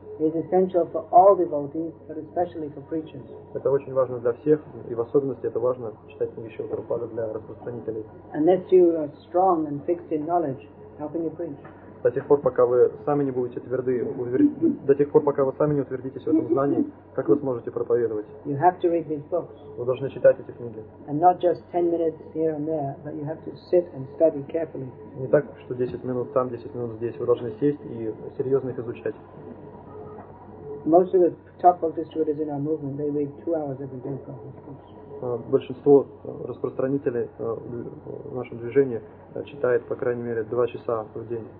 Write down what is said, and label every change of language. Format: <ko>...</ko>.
<en>It is essential for all devotees, but especially for preachers.</en> <ru>Это очень важно для всех, и в особенности это важно читать книги Шрилы Прабхупады для распространителей.</ru> <en>Unless you are strong and fixed in knowledge, how can you preach?</en> <ru>До тех пор, пока вы сами не будете тверды, до тех пор, пока вы сами не утвердитесь в этом знании, как вы сможете проповедовать?</ru> <en>You have to read these books.</en> <ru>Вы должны читать эти книги.</ru> <en>And not just 10 minutes here and there, but you have to sit and study carefully.</en> <ru>Не так, что 10 минут там, 10 минут здесь. Вы должны сесть и серьезно их изучать.</ru> <en>Most of the top book distributors in our movement, they read 2 hours every day from these books.</en> <ru>Большинство распространителей в нашем движении читает по крайней мере 2 часа в день.</ru>